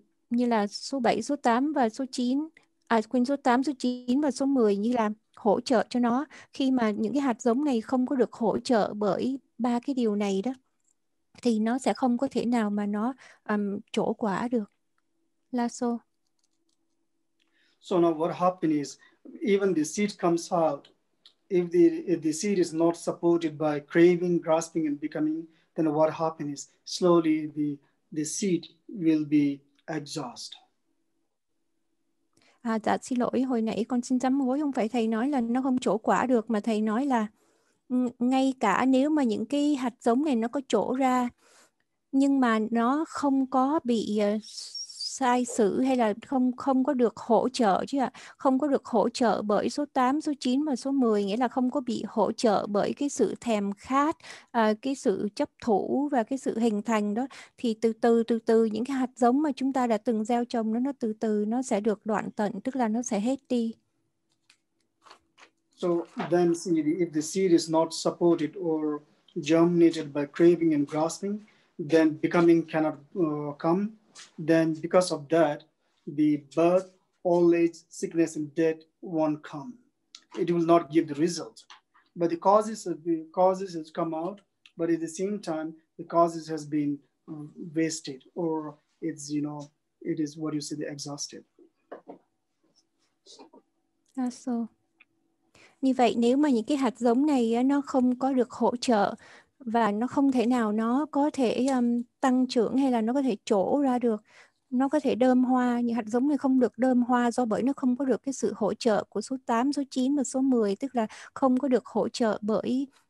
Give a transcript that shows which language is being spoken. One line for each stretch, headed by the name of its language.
Vietnamese: như là số 7, số 8 và số 9, số 8, số 9 và số 10 như là hỗ trợ cho nó, khi mà những cái hạt giống này không có được hỗ trợ bởi ba cái điều này đó, thì nó sẽ không có thể nào mà nó trổ quả được. Lasso.
English: So now what happened is, even the seed comes out, if the seed is not supported by craving, grasping and becoming, then what happens is slowly the seed will be exhausted.
Vietnamese: À dạ xin lỗi, hồi nãy con xin sám hối, không phải thầy nói là nó không trổ quả được, mà thầy nói là ngay cả nếu mà những cái hạt giống này nó có trổ ra nhưng mà nó không có bị sai sử, hay là không có được hỗ trợ chứ ạ, không có được hỗ trợ bởi số 8, số 9 và số 10, nghĩa là không có bị hỗ trợ bởi cái sự thèm khát, cái sự chấp thủ và cái sự hình thành đó, thì từ từ những cái hạt giống mà chúng ta đã từng gieo trồng nó từ từ nó sẽ được đoạn tận, tức là nó sẽ hết đi.
English: So then if the seed is not supported or germinated by craving and grasping, then becoming cannot come. Then because of that, the birth, old age, sickness and death won't come. It will not give the result. But the causes has come out, but at the same time, the causes has been wasted, or it's, you know, it is what you say, the exhausted.
Vietnamese: So, như vậy nếu mà những cái hạt giống này nó không có được hỗ trợ và nó không thể nào nó có thể tăng trưởng hay là nó có thể trổ ra được, nó có thể đơm hoa, những hạt giống này không được đơm hoa do bởi nó không có được cái sự hỗ trợ của số 8, số 9 và số 10, tức là không có được hỗ trợ bởi